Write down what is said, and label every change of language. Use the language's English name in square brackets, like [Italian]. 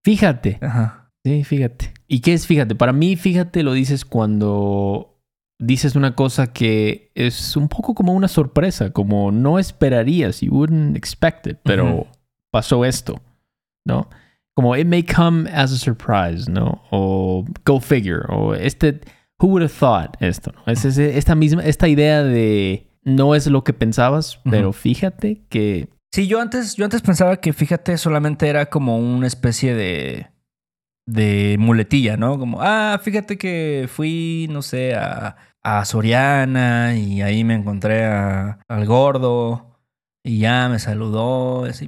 [Spanish] Fíjate. Ajá. Sí, fíjate. ¿Y qué es fíjate? Para mí, fíjate lo dices cuando dices una cosa que es un poco como una sorpresa, como no esperarías, [English] you wouldn't expect it, [Spanish] pero uh-huh, pasó esto, ¿no? Como [English] it may come as a surprise, [Spanish] ¿no? O [English] go figure, [Spanish] o este, [English] who would have thought [Spanish] esto, ¿no? Es ese, esta idea de no es lo que pensabas, uh-huh, pero fíjate que... Sí, yo antes pensaba que fíjate solamente era como una especie de muletilla, ¿no? Como, fíjate que fui, no sé, a Soriana y ahí me encontré al gordo y ya me saludó. Así.